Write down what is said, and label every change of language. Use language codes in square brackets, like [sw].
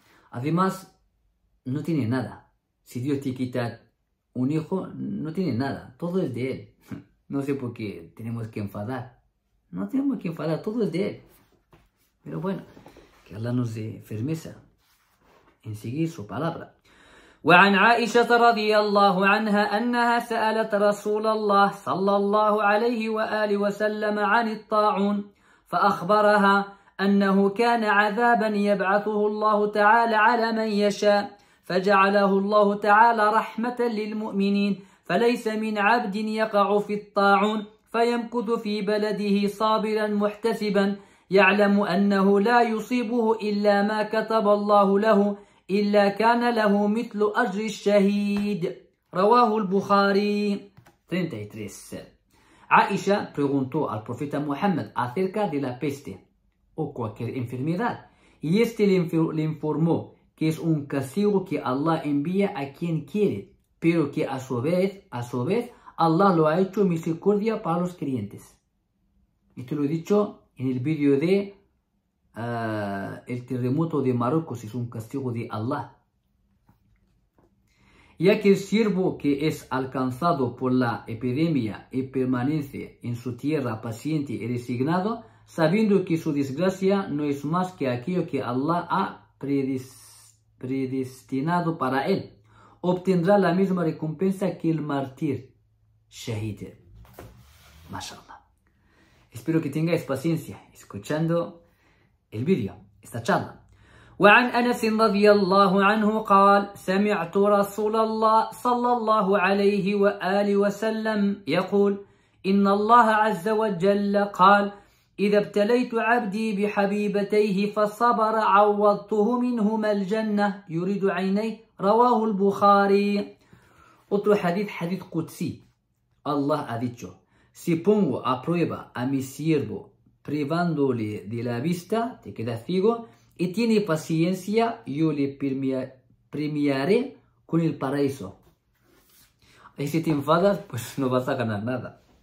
[es] Además, no tiene nada. Si Dios te quita un hijo, no tiene nada. Todo es de él. No sé por qué tenemos que enfadar. No tenemos que enfadar. Todo es de él. Pero bueno, que Allah nos dé firmeza en seguir su palabra. [ar] وعن عائشة رضي الله عنها أنها سألت رسول الله صلى الله عليه وآله وسلم عن الطاعون فأخبرها أنه كان عذابا يبعثه الله تعالى على من يشاء فجعله الله تعالى رحمة للمؤمنين فليس من عبد يقع في الطاعون فيمكث في بلده صابرا محتسبا يعلم أنه لا يصيبه إلا ما كتب الله له إلا كان له مثل أجر الشهيد رواه البخاري [es] 33. عائشة preguntó al profeta Muhammad acerca de la peste o cualquier enfermedad y este le informó que es un castigo que Allah envía a quien quiere pero que a su vez Allah lo ha hecho misericordia para los creyentes. Esto lo he dicho en el vídeo de el terremoto de Marruecos es un castigo de Allah. Ya que el siervo que es alcanzado por la epidemia y permanece en su tierra paciente y resignado, sabiendo que su desgracia no es más que aquello que Allah ha predestinado para él, obtendrá la misma recompensa que el mártir shahid. Mashallah. Espero que tengáis paciencia escuchando [ar] الفيديو استشهد. وعن أنس رضي الله عنه قال سمعت رسول الله صلى الله عليه وآله وسلم يقول إن الله عز وجل قال إذا ابتليت عبدي بحبيبتيه فصبر عوضته منهما الجنة يريد عينيه رواه البخاري. [es] Otro حديث قدسي. الله ha dicho si pongo a prueba a mi siervo privándole de la vista, te queda ciego, y tiene paciencia, yo le premiaré con el paraíso. Y si te enfadas, pues no vas a ganar nada.